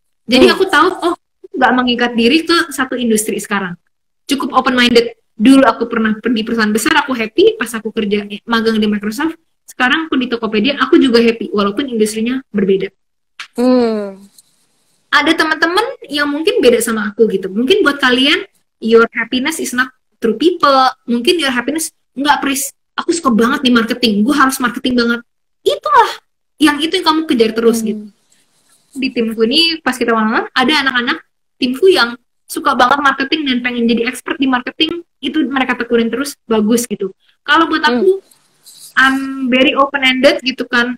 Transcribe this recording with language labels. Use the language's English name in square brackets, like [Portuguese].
[Indonesian] Jadi aku tahu, oh, nggak mengikat diri ke satu industri sekarang. Cukup open minded. Dulu aku pernah di perusahaan besar, aku happy pas aku kerja magang di Microsoft. Sekarang aku di Tokopedia, aku juga happy walaupun industrinya berbeda. Ada teman-teman yang mungkin beda sama aku gitu. Mungkin buat kalian, [English] your happiness is not through people. [Indonesian] Mungkin [English] your happiness, [Indonesian] enggak Pris, aku suka banget di marketing, gue harus marketing banget. Itulah, yang itu yang kamu kejar terus gitu. Di timku ini, pas kita malam, ada anak-anak timku yang suka banget marketing dan pengen jadi expert di marketing. Itu mereka tekunin terus, bagus gitu. Kalau buat aku, [English] I'm very open-ended [Indonesian] gitu kan.